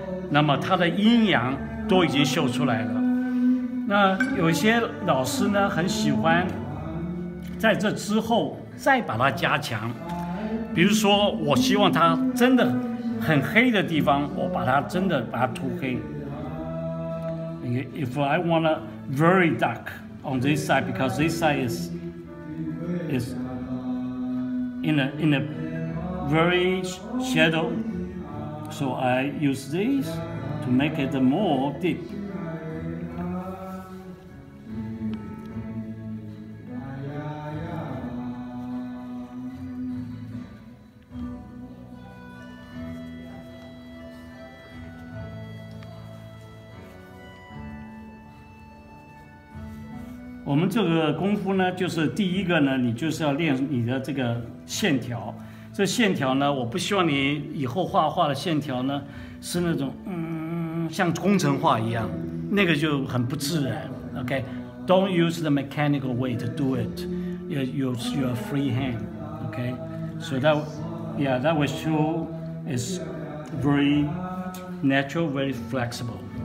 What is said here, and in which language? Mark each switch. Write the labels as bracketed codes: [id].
[zh] 那么它的阴阳都已经绣出来了。那有些老师呢，很喜欢在这之后再把它加强，比如说我希望它真的很黑的地方，我把它真的把它涂黑。 [en] If I want to very dark on this side, because this side is in a very shadow, so I use this to make it more deep. [zh] 我们这个功夫呢，就是第一个呢，你就是要练你的这个线条。这线条呢，我不希望你以后画画的线条呢，是那种像工程画一样，那个就很不自然。 [en] Okay, don't use the mechanical way to do it. You use your free hand. Okay, so that, yeah, that will show is very natural, very flexible.